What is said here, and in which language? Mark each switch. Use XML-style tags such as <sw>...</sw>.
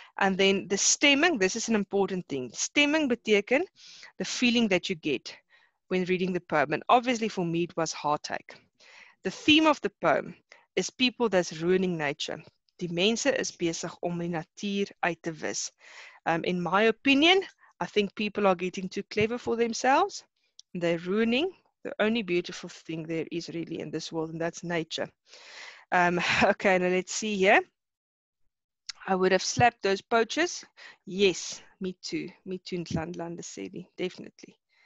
<en>And then the stemming, this is an important thing. Stemming</en> <af>beteken</af> <en>the feeling that you get when reading the poem. And obviously for me, it was heartache. The theme of the poem is people that's ruining nature.</en> <af>Die mense is besig om die natuur uit te wis.</af> <en>In my opinion, I think people are getting too clever for themselves. They're ruining the only beautiful thing there is really in this world, and that's nature. Okay, now let's see here. I would have slapped those poachers. Yes, me too. Me too, Ntlandlande Sedi, definitely.</en>